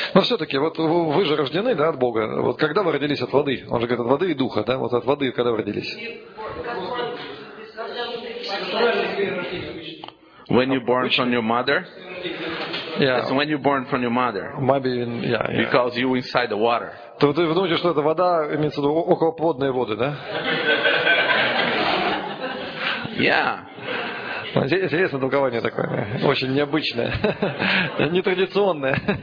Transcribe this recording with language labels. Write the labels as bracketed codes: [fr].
[ru] Но все-таки, вот вы же рождены, да, от Бога. Вот когда вы родились от воды? Он же говорит от воды и духа, да? Вот от воды, когда вы родились? [en] When you born from your mother. Yeah. It's when you born from your mother. Maybe even, yeah. Because you inside the water. [ru] То вы думаете, что это вода, имеется в виду околоплодные воды, да? [en] Yeah. [ru] Интересное толкование такое, очень необычное, нетрадиционное.